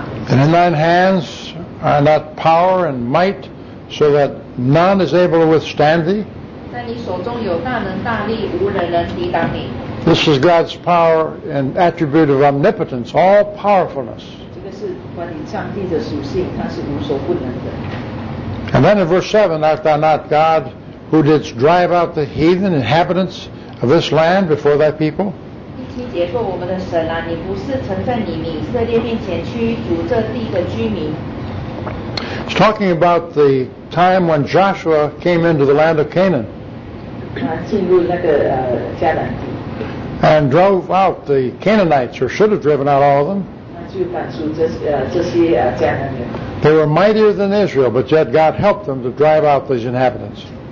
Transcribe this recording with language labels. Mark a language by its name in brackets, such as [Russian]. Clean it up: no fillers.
[English] And in thine hands are not power and might, so that none is able to withstand thee? [Chinese] 在你手中有大能大力，无人能抵挡你。 [English] This is God's power and attribute of omnipotence, all powerfulness. [Chinese] 这个是关于上帝的属性，他是无所不能的。 [English] And then in verse 7, art thou not God who didst drive out the heathen inhabitants of this land before thy people? [Chinese] 第七节说我们的神啊，你不是曾在你以色列面前驱逐这地的居民。 [English] It's talking about the time when Joshua came into the land of Canaan. [Chinese] 进入那个迦南地。 [English] And drove out the Canaanites, or should have driven out all of them. [Chinese] 就赶出这些迦南人。 [English] They were mightier than Israel, but yet God helped them to drive out these inhabitants.